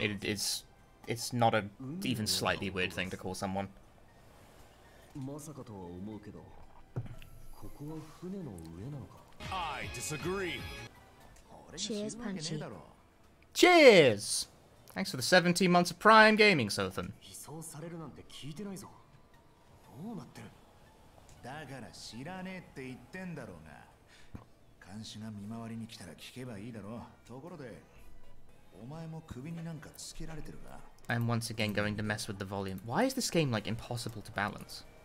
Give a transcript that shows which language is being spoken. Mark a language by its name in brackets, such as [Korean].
[English] It's not a even slightly weird thing to call someone. [Japanese] まさかとは思うけど、ここは船の上なのか。 [English] I disagree. Cheers, Punchy. Cheers! Thanks for the 17 months of Prime Gaming, Sothan. [Japanese] 移送されるなんて聞いてないぞ。どうなってる？だから知らねえって言ってんだろうが、監視が見回りに来たら聞けばいいだろう。ところで、お前も首になんかつけられてるか？ [English] I'm once again going to mess with the volume. Why is this game like impossible to balance?